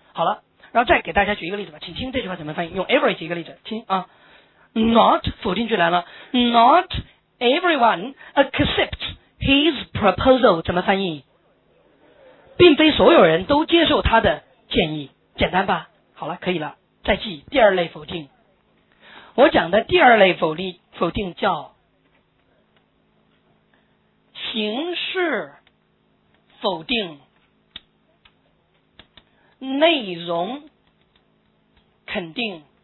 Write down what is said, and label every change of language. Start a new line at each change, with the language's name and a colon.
Chinese: 好了，然后再给大家举一个例子吧，请听这句话怎么翻译，用 every 举一个例子，听啊。
English: Not
Chinese: 否定句来了
English: ，Not everyone accept his proposal
Chinese: 怎么翻译？并非所有人都接受他的建议，简单吧？好了，可以了。再记第二类否定，我讲的第二类否定叫形式否定，内容肯定。